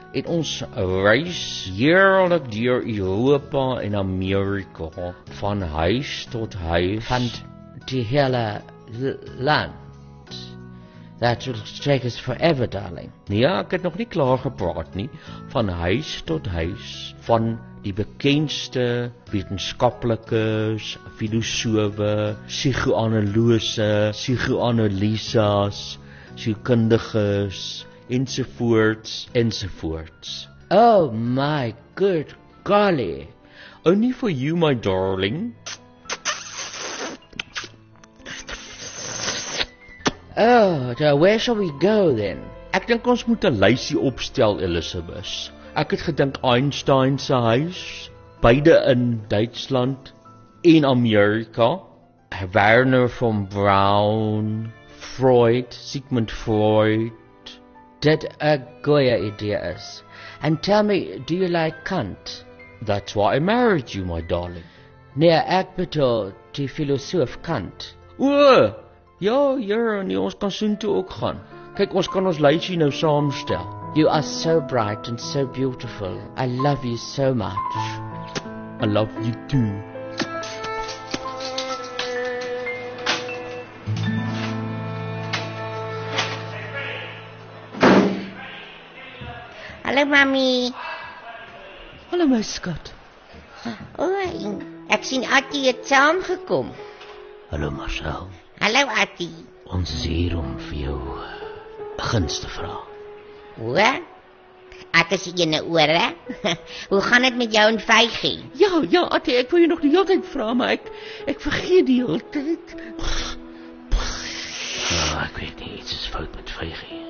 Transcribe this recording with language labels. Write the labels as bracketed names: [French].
[Afrikaans] In ons reis heerlijk deur Europa en Amerika. Van huis tot huis. Van die hele land. [English] That will take us forever, darling. [Afrikaans] Ja, ek het nog nie klaar gepraat nie. Van huis tot huis, van die bekendste wetenskaplikes, filosofe, psychoanalyse, psychoanalysas, psychokundiges, enzovoorts, enzovoorts. [English] Oh my good golly. Only for you, my darling. Oh, so where shall we go then? [Afrikaans] Ek dink ons moet 'n lysie opstel, Elizabeth. Ek het gedink Einstein se huis, beide in Duitsland en Amerika, Werner von Braun, Freud, Sigmund Freud. Dit 'n goeie idee is. [English] And tell me, do you like Kant? That's why I married you, my darling. [Afrikaans] Nee, ek bedoel die filosoof Kant. Ja, jyre, nie, ons kan soon toe ook gaan. Kyk, ons kan ons lysie nou saamstel. [English] You are so bright and so beautiful. I love you so much. I love you too. [Afrikaans] Hallo, mami. Hallo, my skat. Oei, ek sien Attie het saamgekom. Hallo, Marcel. Hallo, Attie. Ons is hier om vir jou guns te vra. Hoe? Ek is jyne oore. Hoe gaan het met jou en Vygie? Ja, ja, Attie, ek wil jou nog die hele tijd vra, maar ek vergeet die hele tijd. Oh, ek weet nie, iets is fout met Vygie.